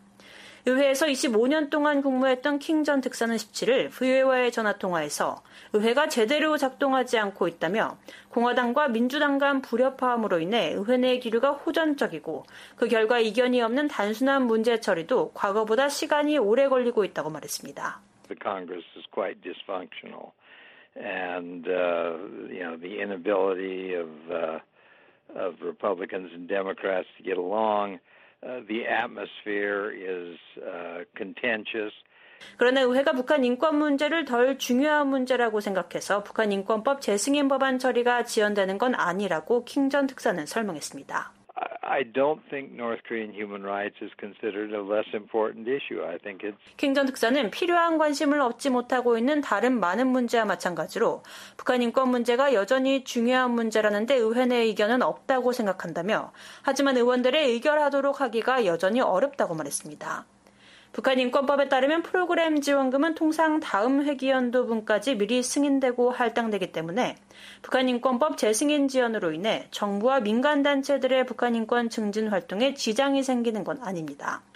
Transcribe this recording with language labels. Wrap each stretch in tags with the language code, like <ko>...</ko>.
<ko>의회에서 25년 동안 국무했던 킹 전 특사는 17일 의회와의 전화통화에서 의회가 제대로 작동하지 않고 있다며 공화당과 민주당 간 불협화음으로 인해 의회 내 기류가 호전적이고 그 결과 이견이 없는 단순한 문제 처리도 과거보다 시간이 오래 걸리고 있다고 말했습니다.</ko> <en>The Congress is quite dysfunctional and you know the inability of Republicans and Democrats to get along. The atmosphere is contentious.</en> <ko>그러나 의회가 북한 인권 문제를 덜 중요한 문제라고 생각해서 북한 인권법 재승인 법안 처리가 지연되는 건 아니라고 킹 전 특사는 설명했습니다.</ko> <en>I don't think North Korean human rights is considered a less important issue. I think it's</en> <ko>킹 전 특사는 필요한 관심을 얻지 못하고 있는 다른 많은 문제와 마찬가지로 북한 인권 문제가 여전히 중요한 문제라는데 의회 내 의견은 없다고 생각한다며 하지만 의원들의 의결하도록 하기가 여전히 어렵다고 말했습니다. 북한인권법에 따르면 프로그램 지원금은 통상 다음 회기연도 분까지 미리 승인되고 할당되기 때문에 북한인권법 재승인 지연으로 인해 정부와 민간단체들의 북한인권 증진 활동에 지장이 생기는 건 아닙니다.</ko>